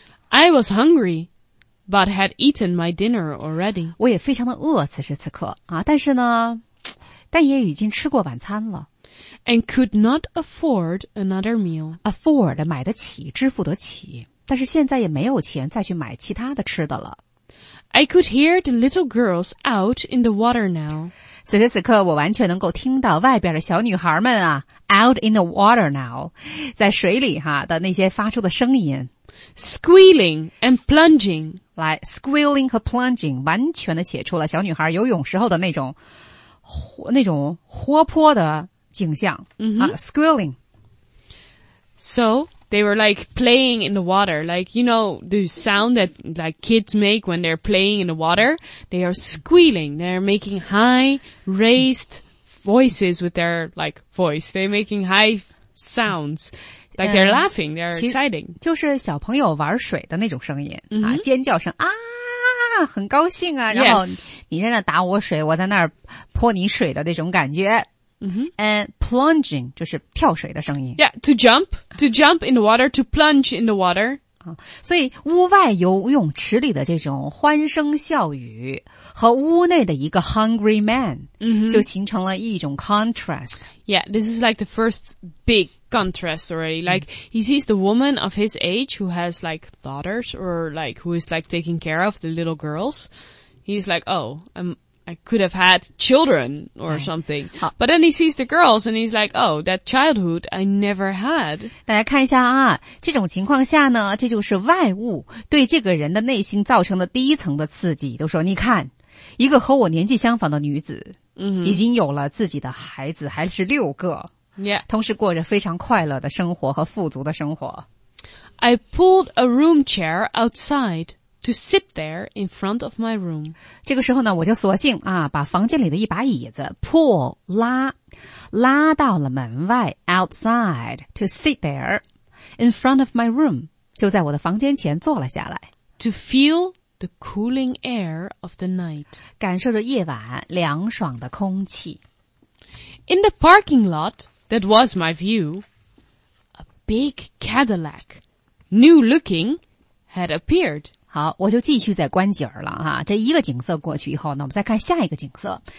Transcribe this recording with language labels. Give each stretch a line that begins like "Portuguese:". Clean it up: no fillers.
English: I was hungry, but had eaten my dinner already.
Chinese: 我也非常的饿，此时此刻啊，但是呢，但也已经吃过晚餐了。
English: And could not afford another meal.
Chinese: Afford 买得起，支付得起，但是现在也没有钱再去买其他的吃的了。
English: I could hear the little girls out in the water now.
Chinese: 此时此刻我完全能够听到外边的小女孩们啊
English: out in the water now,
Chinese: 在水里哈的那些发出的声音。
English: Squealing and plunging.
Chinese: 来 ,squealing 和 plunging, 完全的写出了小女孩游泳时候的那种活泼的景象。 Mm-hmm.
English: 啊 ,squealing. So,They were like playing in the water, like, you know, the sound that like kids make when they're playing in the water, they are squealing, they're making high raised voices with their like voice, they're making high sounds, like they're laughing, they're exciting.
Chinese: 就是小朋友玩水的那种声音、 mm-hmm. 啊、尖叫声啊很高兴啊、
English: yes.
Chinese: 然后你在那打我水我在那儿泼你水的那种感觉。 Mm-hmm.
English: And plunging,
Chinese: 就是跳水的声音。
English: Yeah, to jump in the water, to plunge in the water.
Chinese: 所以屋外游泳池里的这种欢声笑语和屋内的一个
English: hungry man、 mm-hmm.
Chinese: 就形成了一种 contrast.
English: Yeah, this is like the first big contrast already. Like,、mm-hmm. he sees the woman of his age who has like daughters or like who is like taking care of the little girls. He's like, oh, I'm... I could have had children or something. But then he sees the girls and he's like, oh, that childhood I never had.
Chinese: 大家看一下啊，这种情况下呢，这就是外物对这个人的内心造成的第一层的刺激。都说你看，一个和我年纪相仿的女子已经有了自己的孩子，还是六个。
English: Yeah.
Chinese: 同时过着非常快乐的生活和富足的生活。
English: I pulled a room chair outside to sit there in front of my room.
Chinese: 这个时候呢，我就索性啊，把房间里的一把椅子 pull, 拉，拉到了门外
English: outside to sit there in front of my room,
Chinese: 就在我的房间前坐了下来。
English: To feel the cooling air of the night.
Chinese: 感受着夜晚凉爽的空气。
English: In the parking lot that was my view, a big Cadillac, new looking, had appeared.
Chinese: 好，我就继续在关节了哈。这一个景色过去以后，那我们再看下一个景色。